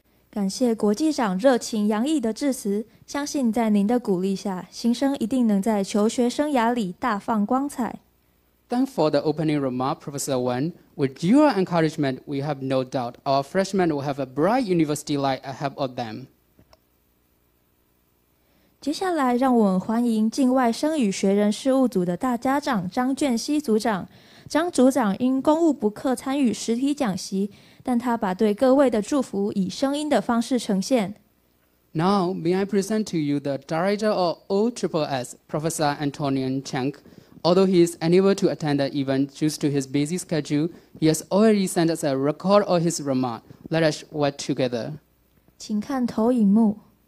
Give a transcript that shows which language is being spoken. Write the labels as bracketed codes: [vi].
[zh] 感谢国际长热情洋溢的致辞，相信在您的鼓励下，新生一定能在求学生涯里大放光彩。 [en] Thank for the opening remark, Professor Wen. With your encouragement, we have no doubt our freshmen will have a bright university life ahead of them. [zh] 接下来，让我们欢迎境外生与学人事务组的大家长张卷熙组长。张组长因公务不课参与实体讲习。但他把对各位的祝福以声音的方式呈现。 [en] Now, may I present to you the director of OSSS, Professor Antonian Cheng. Although he is unable to attend the event due to his busy schedule, he has already sent us a record of his remark. Let us work together. [zh] 请看投影幕。